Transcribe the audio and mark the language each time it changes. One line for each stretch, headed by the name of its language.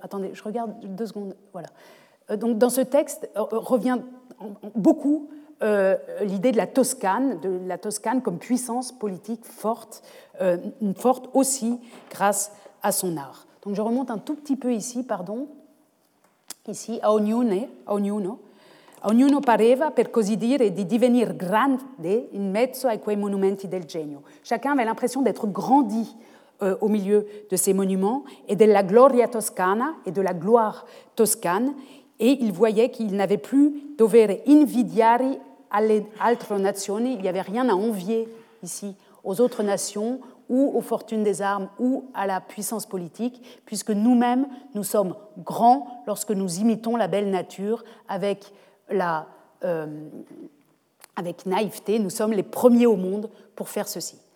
French: Attendez, je regarde deux secondes. Voilà. Donc, dans ce texte, revient beaucoup l'idée de la Toscane comme puissance politique forte, forte aussi grâce à son art. Donc, je remonte un tout petit peu ici, pardon.
Italian: Ici, a ognuno. Ognuno pareva, per così dire, di divenir grande in mezzo ai quei monumenti del genio.
French: Chacun avait l'impression d'être grandi au milieu de ces monuments et de la gloria toscana et de la gloire toscane. Et il voyait qu'il n'avait plus
Italian: dovere invidiari alle altre nazioni.
French: Il n'y avait rien à envier ici aux autres nations ou aux fortunes des armes ou à la puissance politique, puisque nous-mêmes, nous sommes grands lorsque nous imitons la belle nature avec avec naïveté, nous sommes les premiers au monde pour faire ceci.